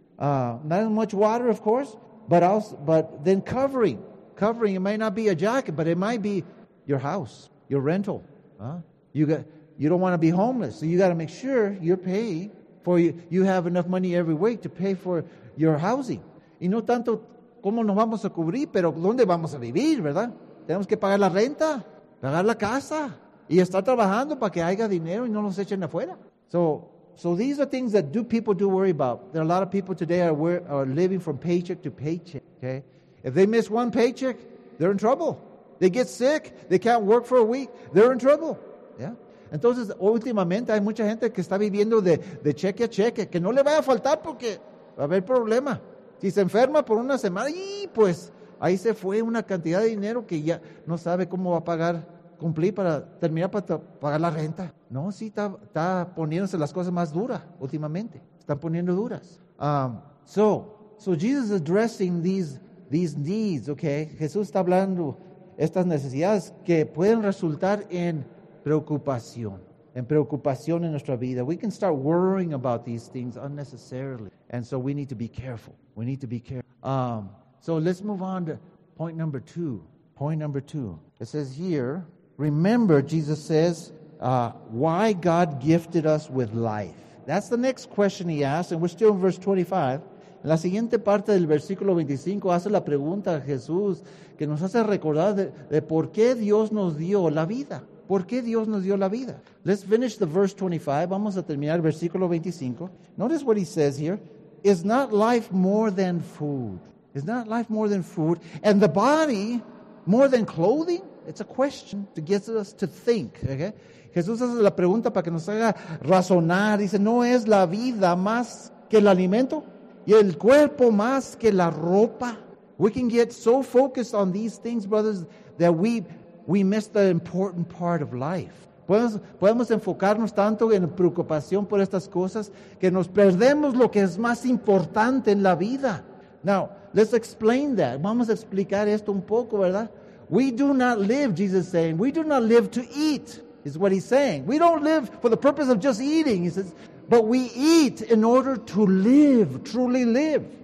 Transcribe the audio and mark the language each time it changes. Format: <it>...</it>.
<en>Not as much water, of course, but then covering. Covering, it might not be a jacket, but it might be your house, your rental. You don't want to be homeless, so you got to make sure you're paying for you have enough money every week to pay for your housing.</en> <es>Y no tanto cómo nos vamos a cubrir, pero dónde vamos a vivir, ¿verdad? Tenemos que pagar la renta, pagar la casa, y estar trabajando para que haya dinero y no nos echen afuera.</es> <en>So these are things that people worry about. There are a lot of people today are living from paycheck to paycheck, okay? If they miss one paycheck, they're in trouble. They get sick, they can't work for a week, they're in trouble, yeah?</en> <es>Entonces, últimamente hay mucha gente que está viviendo de cheque a cheque, que no le vaya a faltar porque va a haber problema. Si se enferma por una semana, y pues ahí se fue una cantidad de dinero que ya no sabe cómo va a pagar, cumplir para terminar para pagar la renta. No, sí está poniéndose las cosas más duras últimamente. Están poniendo duras.</es> <en>So Jesus is addressing these needs, okay?</en> <es>Jesús está hablando estas necesidades que pueden resultar en preocupación en nuestra vida.</es> <en>We can start worrying about these things unnecessarily. And so we need to be careful. We need to be careful. So let's move on to point number two. Point number two. It says here, remember, Jesus says, why God gifted us with life. That's the next question he asks, and we're still in verse 25.</en> <es>En la siguiente parte del versículo 25 hace la pregunta a Jesús que nos hace recordar de por qué Dios nos dio la vida. ¿Por qué Dios nos dio la vida?</es> <en>Let's finish the verse 25.</en> <es>Vamos a terminar el versículo 25.</es> <en>Notice what he says here. Is not life more than food? Is not life more than food? And the body more than clothing? It's a question to get us to think. Okay?</en> <es>Jesús hace la pregunta para que nos haga razonar. Dice, ¿no es la vida más que el alimento? ¿Y el cuerpo más que la ropa?</es> <en>We can get so focused on these things, brothers, that we miss the important part of life.</en> <es>Podemos enfocarnos tanto en preocupación por estas cosas que nos perdemos lo que es más importante en la vida.</es> <en>Now, let's explain that.</en> <es>Vamos a explicar esto un poco, ¿verdad?</es> <en>We do not live, Jesus is saying, we do not live to eat, is what he's saying. We don't live for the purpose of just eating, he says, but we eat in order to live, truly live.</en>